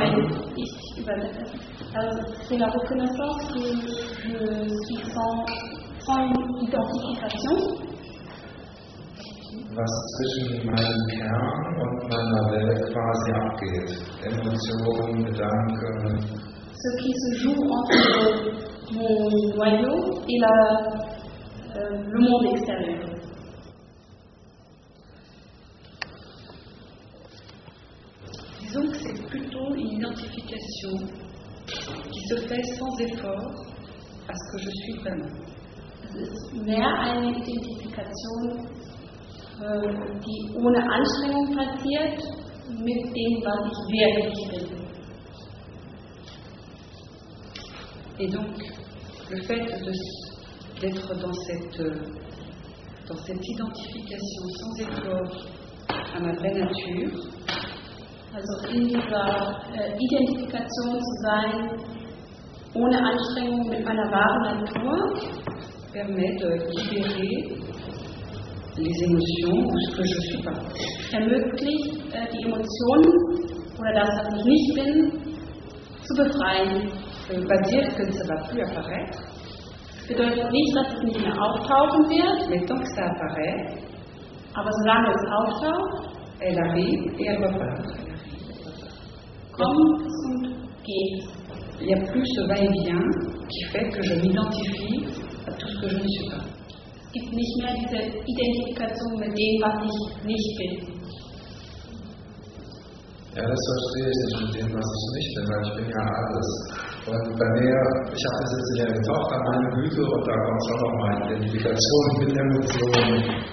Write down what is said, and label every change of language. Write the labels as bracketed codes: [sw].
[de] Also, wenn ich übersetze, [fr] c'est la reconnaissance que je suis sans identification. [de] Was zwischen meinem Kern und meiner Welt quasi abgeht. Emotionen, Gedanken. [fr] Ce qui se joue entre mon noyau et la. Le monde extérieur. Disons que c'est plutôt une identification qui se fait sans effort à ce que je suis vraiment. [de] Mehr eine Identifikation, die ohne Anstrengung passiert, mit dem, was ich wirklich bin. [fr] Et donc, le fait de d'être dans cette identification sans effort à ma vraie nature. [de] Also in dieser Identifikation zu sein, ohne Anstrengung mit meiner wahren Natur, [fr] permet de libérer les émotions ou ce que je ne suis pas. [de] Ermöglicht die Emotionen oder das, was ich nicht bin, zu befreien. [fr] Je ne veux pas dire que ça ne va plus apparaître. [de] Bedeutet nicht, dass es nicht mehr auftauchen wird, [fr] mais tant que ça apparaît, [de] aber solange es auftaucht, [fr] elle arrive et elle va pas. [de] Kommt es und geht. [fr] Il n'y a plus ce va-et-vient qui fait que je m'identifie à tout ce que je ne suis pas. [de] Es gibt nicht mehr diese Identifikation mit dem, was ich nicht bin. Ja, das verstehe ich nicht mit dem, was ich nicht bin, weil ich bin ja alles. Und bei mir, ich habe das jetzt in der Tochter, meine Güte, und da kommt schon noch mal Identifikation mit Emotionen.